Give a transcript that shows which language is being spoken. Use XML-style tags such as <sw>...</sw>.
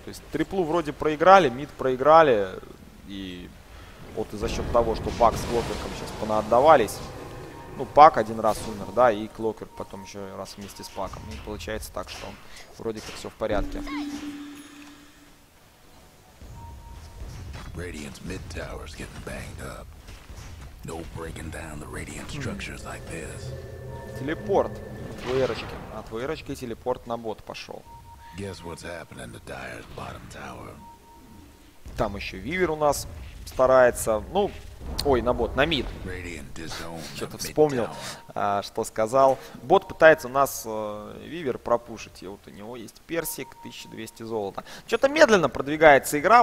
<ru>То есть триплу вроде проиграли, мид проиграли, и вот и за счет того, что Пак с Клокерком сейчас понаотдавались. Ну, Пак один раз умер, да, и Клокер потом еще раз вместе с Паком. И получается так, что вроде как все в порядке.</ru> <en>Radiant's mid tower's getting banged up. No breaking down the Radiant structures like this.</en> <ru>Телепорт от ВРочки. От ВРочки телепорт на бот пошел.</ru> <en>Guess what's happening to Dire's bottom tower.</en> <ru>Там еще Вивер у нас старается, ну, ой, на бот, на мид. Что-то вспомнил, что сказал. Бот пытается у нас Вивер пропушить. И вот у него есть персик, 1200 золота. Что-то медленно продвигается игра.</ru>